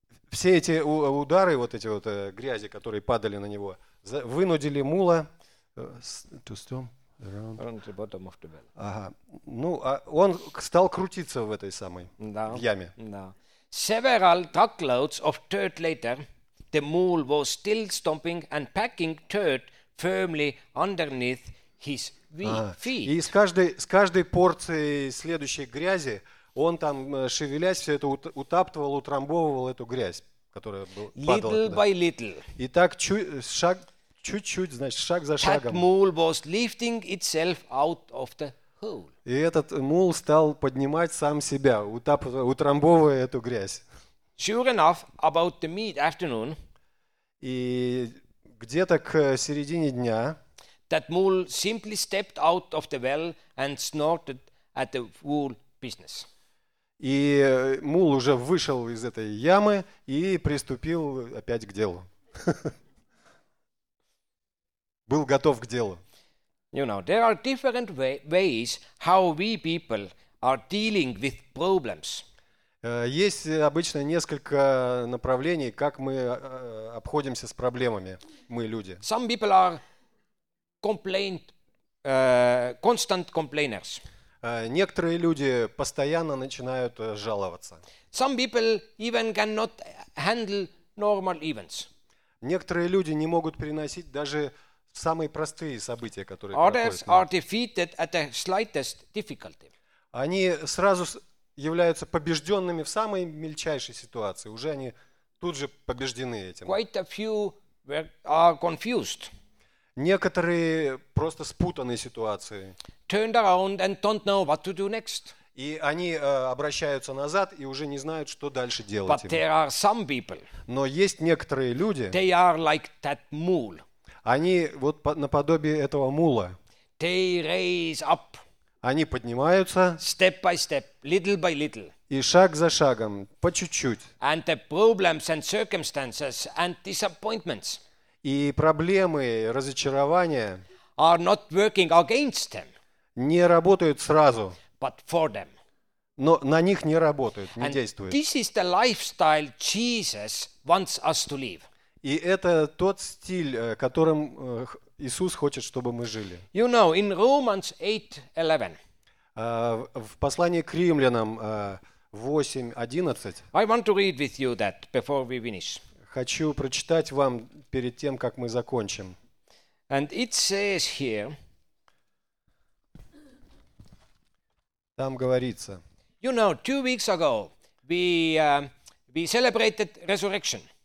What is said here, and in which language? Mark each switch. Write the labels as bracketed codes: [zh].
[ru] Все эти удары, вот эти вот грязи, которые падали на него, вынудили мула [en] to stomp around the bottom of the well. [ru] Он стал крутиться в этой самой в яме. Да. [en] Several truckloads of dirt later, the mule was still stomping and packing dirt firmly underneath his feet. [ru] И с каждой порцией следующей грязи он там, шевелясь, все это утаптывал, утрамбовывал эту грязь, которая падала туда. [en] Little by little. [ru] И так чуть-чуть, значит, шаг за шагом. [en] That mule was lifting itself out of the hole. [ru] И этот мул стал поднимать сам себя, утрамбовывая эту грязь. [en] Sure enough, about the mid-afternoon. [ru] И где-то к середине дня [en] that mule simply stepped out of the well and snorted at the wool business. [ru] И мул уже вышел из этой ямы и приступил опять к делу. Был готов к делу. [en] You know, there are different ways how we people are dealing with problems. [ru] Есть обычно несколько направлений, как мы обходимся с проблемами, мы люди. [en] Some people are constant complainers. [ru] Некоторые люди постоянно начинают жаловаться. [en] Some people even cannot handle normal events. [ru] Некоторые люди не могут переносить даже самые простые события, которые [en] Others are defeated at the slightest difficulty. [ru] Они сразу являются побежденными в самой мельчайшей ситуации. Уже они тут же побеждены этим. [en] Quite a few are confused. [ru] Некоторые просто спутаны ситуацией. [en] Turned around and don't know what to do next. [ru] И они обращаются назад и уже не знают, что дальше делать. [en] But there are some people. [ru] Но есть некоторые люди. [en] They are like that mule. [ru] Они вот наподобие этого мула. [en] They raise up. [ru] Они поднимаются. [en] Step by step, little by little. [ru] И шаг за шагом, по чуть-чуть. [en] And the problems and circumstances and disappointments. [ru] И проблемы, разочарования [en] are not working against them. [ru] Не работают сразу. [en] But for them. [ru] Но на них не работают, не действуют. [en] This is the lifestyle Jesus wants us to live. [ru] И это тот стиль, которым Иисус хочет, чтобы мы жили. [en] You know, in Romans 8:11. [ru] В послании к Римлянам 8:11. [en] I want to read with you that before we finish. [ru] Хочу прочитать вам перед тем, как мы закончим. [en] And it says here. [ru] Там говорится. [en] You know, 2 weeks ago we celebrated resurrection.